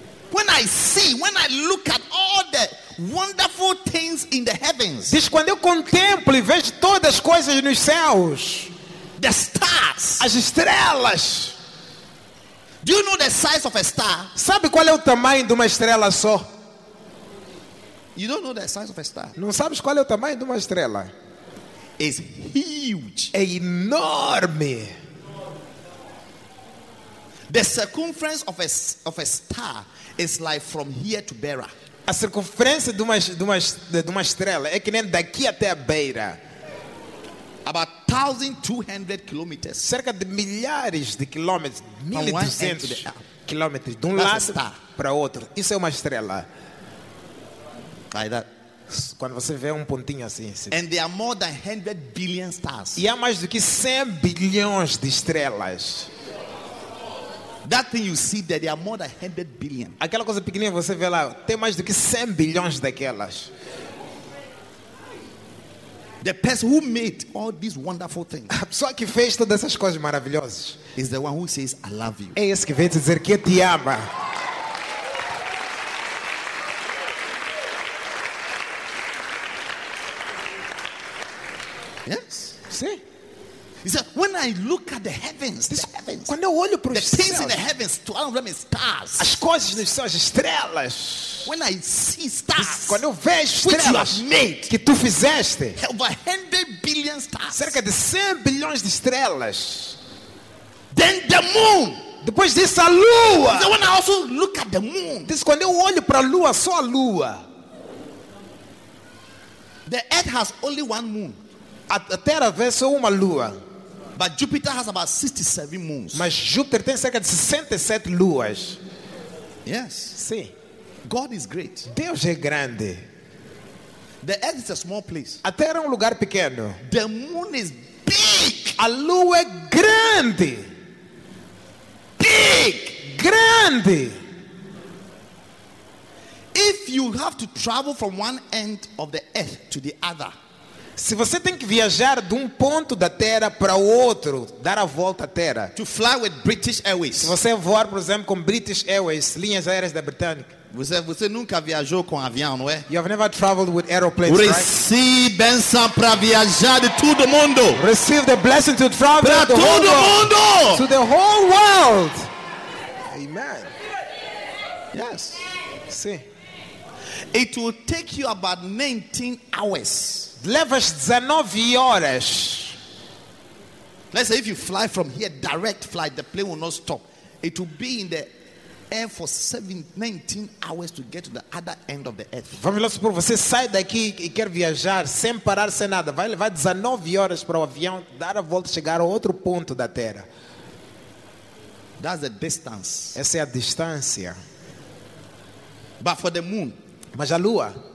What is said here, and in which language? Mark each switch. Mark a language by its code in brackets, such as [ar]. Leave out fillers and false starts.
[en] When I see, when I look at all the wonderful things in the heavens, [pt] diz quando eu contemplo e vejo todas as coisas nos céus, [en] the stars, [pt] as estrelas. [en] Do you know the size of a star? [pt] Sabe qual é o tamanho de uma estrela só? [en] You don't know the size of a star. [pt] Não sabes qual é o tamanho de uma estrela? [en] It's huge. [pt] É enorme. [en] The circumference of a star is like from here to Beira. [pt] A circunferência de uma estrela é que nem daqui até a Beira. [en] About 1,200 kilometers. [pt] Cerca de milhares de quilômetros, 1,200 quilômetros de um [en] that's [pt] lado para outro. Isso é uma estrela. [en] Like that. [pt] Quando você vê um pontinho assim. [en] And there are more than 100 billion stars. [pt] E há mais do que 100 bilhões de estrelas. [en] That thing you see there are more than 100 billion. [pt] Aquela coisa pequenininha você vê lá, tem mais do que 100 bilhões daquelas. [en] The person who made all these wonderful things. [pt] A pessoa que fez todas essas coisas maravilhosas. [en] Is the one who says, I love you. [pt] É esse que vem te dizer que te ama. [en] Yes. [pt] Sim. [en] He said, when I look at the heavens, the heavens. [pt] Quando eu olho para os céus. [en] The things in the heavens, to all of them is stars. [pt] As coisas nos céus, estrelas. [en] When I see stars. [pt] Quando eu vejo estrelas. [en] Which you have made. [pt] Que tu fizeste. [en] Over 100 billion stars. [pt] Cerca de 100 bilhões de estrelas. [en] Then the moon. [pt] Depois disso, a lua. [en] He said, when I also look at the moon. [pt] Diz, quando eu olho para a lua, só a lua. [en] The earth has only one moon. [pt] A Terra vê só uma lua. [en] But Jupiter has about 67 moons. [pt] Mas Júpiter tem cerca de 67 luas. [en] Yes. [pt] Sim. [en] God is great. [pt] Deus é grande. [en] The earth is a small place. [pt] A Terra é lugar pequeno. [en] The moon is big. [pt] A lua é grande. [en] Big. [pt] Grande. [en] If you have to travel from one end of the earth to the other, [pt] se você tem que viajar de um ponto da Terra para o outro, dar a volta à Terra, [en] to fly with British Airways, [pt] se você voar, por exemplo, com British Airways, linhas aéreas da Britânica, você nunca viajou com avião, não é? [en] You have never traveled with aeroplanes, right? Receive [pt] bênção para viajar de todo mundo. [en] Receive the blessing to travel [pt] para todo mundo. [en] To the whole world. Amen. Yes. See. It will take you about 19 hours. [pt] Levas 19 horas. [en] Let's say if you fly from here, direct flight, the plane will not stop. It will be in the air for 19 hours to get to the other end of the earth. [pt] Vamos lá, supor, você sai daqui e quer viajar sem parar, sem nada. Vai levar 19 horas para o avião dar a volta, chegar a outro ponto da Terra. [en] That's the distance. [pt] Essa é a distância. [en] But for the moon, [pt] mas a lua,